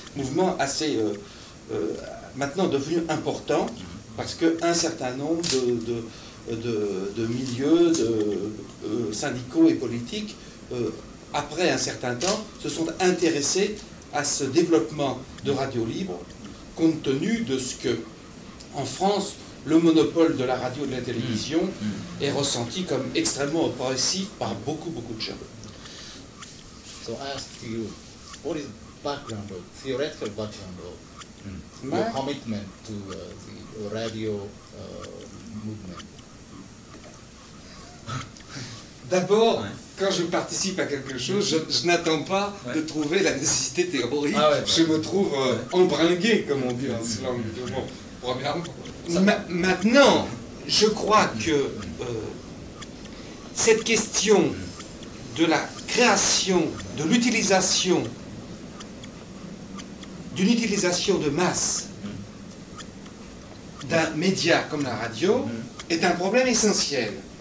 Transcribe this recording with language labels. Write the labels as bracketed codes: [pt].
[fr] Mouvement assez maintenant devenu important parce qu'un certain nombre de milieux syndicaux et politiques, après un certain temps, se sont intéressés à ce développement de radio libre, compte tenu de ce que, en France, le monopole de la radio et de la télévision est ressenti comme extrêmement oppressif par beaucoup, beaucoup de gens. [en] So I ask you, what is background, theoretical background of your commitment to the radio movement? [fr] D'abord, quand je participe à quelque chose, je n'attends pas de trouver la nécessité théorique. Je me trouve embringué, comme on dit en ce langage. Maintenant, je crois que cette question de la création, de l'utilisation, d'une utilisation de masse d'un média comme la radio est un problème essentiel.